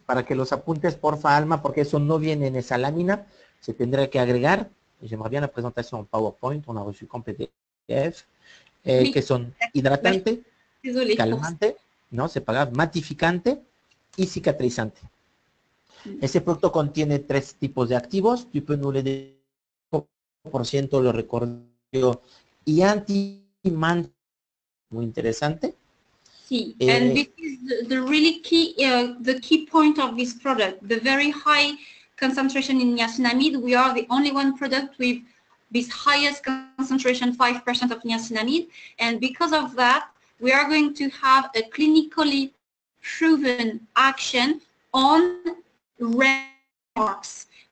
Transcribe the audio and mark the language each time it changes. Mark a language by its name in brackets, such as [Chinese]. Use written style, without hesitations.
[Spanish] Para que los apuntes, porfa, Alma, porque eso no viene en esa lámina, se tendrá que agregar. [French] J'aimerais bien la présentation en PowerPoint, on a reçu comme PDF, oui. Que sont hydratantes, calmantes, non, c'est pas grave, matificantes et cicatrisantes. Ce produit contient trois types d'actifs, tu peux nous les dire, le recordio, et anti-man, très intéressant. [English] Si, and this is the really key, the key point of this product, the very high concentration in niacinamide. We are the only one product with this highest concentration, 5% of niacinamide. And because of that, we are going to have a clinically proven action on red marks.